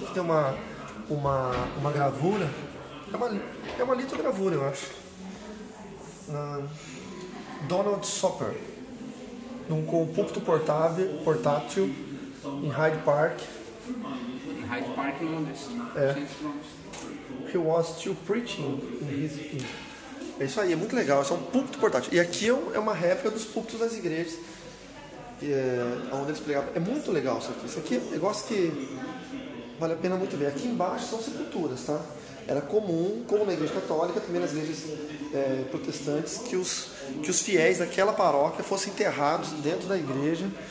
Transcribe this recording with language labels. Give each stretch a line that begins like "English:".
Portuguese: Que tem uma gravura, é uma litogravura, eu acho, Donald Soper, num púlpito portátil em Hyde Park. Hyde Park, Londres.
English: He was still preaching in his feet.
Portuguese: É isso aí, é muito legal. Isso é um púlpito portátil. E aqui é uma réplica dos púlpitos das igrejas. Onde eles pregavam. É muito legal isso aqui. Isso aqui é um negócio que vale a pena muito ver. Aqui embaixo são sepulturas, tá? Era comum, como na igreja católica, também nas igrejas protestantes, que os fiéis daquela paróquia fossem enterrados dentro da igreja.